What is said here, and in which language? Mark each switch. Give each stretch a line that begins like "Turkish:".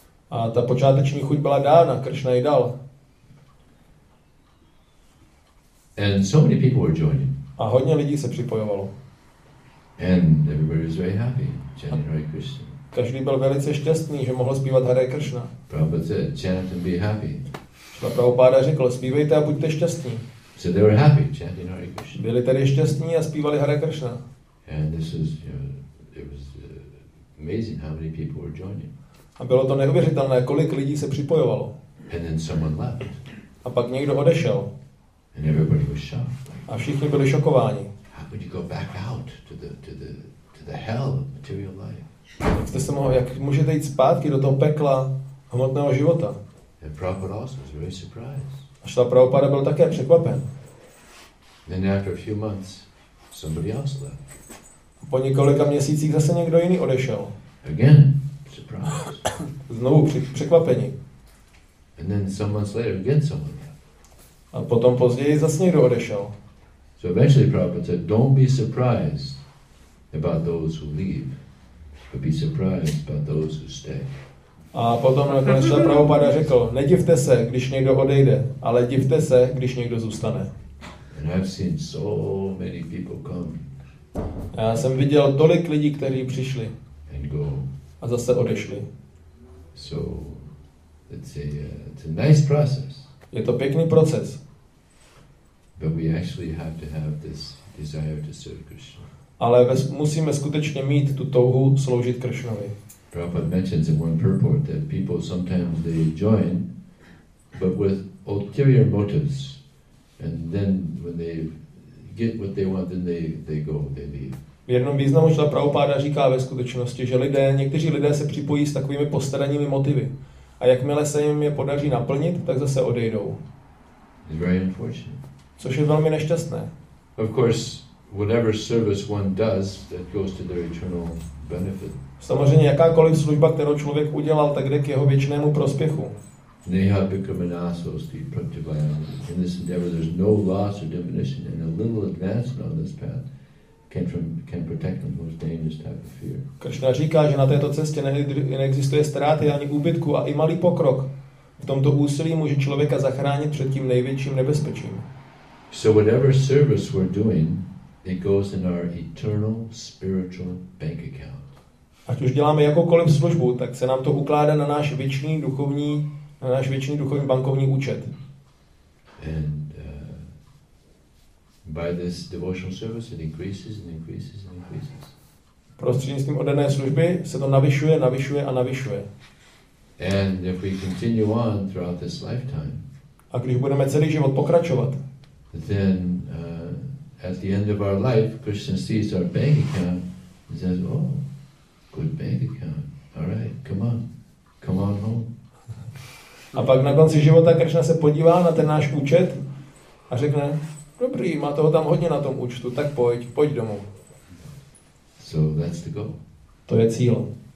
Czech: A ta počáteční chuť byla dána, Krishna ji dal.
English: And so many people were joining.
Czech: A hodně lidí se připojovalo.
English: And everybody was very happy chanting Hare Krishna.
Czech: Každý byl velice šťastný, že mohl zpívat Hare Krishna.
English: Prabhupada said, chant and be happy.
Czech: Prabhupada řekl, zpívejte a buďte šťastní.
English: So they were happy chanting Hare Krishna.
Czech: Byli tedy šťastní a zpívali Hare Krishna.
English: And this is, you know, it was amazing how many people were joining.
Czech: A bylo to neuvěřitelné, kolik lidí se připojovalo.
English: And then someone left.
Czech: A pak někdo odešel.
English: And everybody was shocked.
Czech: A všichni byli šokováni.
English: How could you go back out to the hell of material life?
Czech: Jak můžete jít zpátky do toho pekla hmotného života?
English: And Prabhupada also was very surprised.
Czech: A šla Prabhupada byl také překvapen.
English: Then after a few months, somebody else left.
Czech: Po několika měsících zase někdo jiný odešel.
English: Again, surprise.
Czech: Znovu překvapení.
English: And then some months later, again someone.
Czech: A potom později zase někdo odešel.
English: So eventually Prabhupada said, don't be surprised about those who leave, but be surprised about those who stay.
Czech: A potom nakonec se Prabhupada řekl, nedivte se, když někdo odejde, ale divte se, když někdo zůstane.
English: And I've seen so many people come.
Czech: Já jsem viděl tolik lidí, kteří přišli.
English: And go.
Czech: A zase odešli.
English: So, let's say, it's a nice process.
Czech: Je to pěkný proces.
English: But we actually have to have this desire to serve Krishna.
Czech: Ale musíme skutečně mít tu touhu sloužit Krishnovi.
English: Prabhupada mentions in one purport that people sometimes they join, but with ulterior motives, and then when they get what they want, then they go, they leave.
Czech: V jednom významu šla Prabhupada říká ve skutečnosti, že lidé, někteří lidé se připojí s takovými postranními motivy. A jakmile se jim je podaří naplnit, tak zase odejdou.
English: It's very unfortunate.
Czech: Což je velmi nešťastné.
English: Of course, whatever service one does, that goes to their eternal benefit.
Czech: Samozřejmě jakákoliv služba, kterou člověk udělal, tak jde k jeho věčnému prospěchu.
Sanskrit: Neha bhikkhumanaso sti pratyabhayam.
English: In this endeavor there's no loss or diminution, and a little advancement on this path can protect them from the most dangerous type of fear.
Czech: Krishna říká, že na této cestě neexistuje ztráty ani úbytku a i malý pokrok v tomto úsilí může člověka zachránit před tím největším nebezpečím.
English: So whatever service we're doing, it goes in our eternal spiritual bank account.
Czech: Ať už děláme jakoukoliv službu, tak se nám to ukládá na náš věčný duchovní, na náš věčný duchovní bankovní účet.
English: And by this devotional service it increases and increases and increases.
Czech: Prostřednictvím oddané služby se to navyšuje, navyšuje a navyšuje.
English: And if we continue on throughout this lifetime.
Czech: A když budeme celý život pokračovat.
English: Then at the end of our life Krishna sees our bank account and says, "Oh, good bank account. All right, come on. Come on home."
Czech: A pak na konci života Krishna se podívá na ten náš účet a řekne: "Dobrý, má toho tam hodně na tom účtu, tak pojď, pojď domů."
English: So that's the goal.
Czech: To je cíl.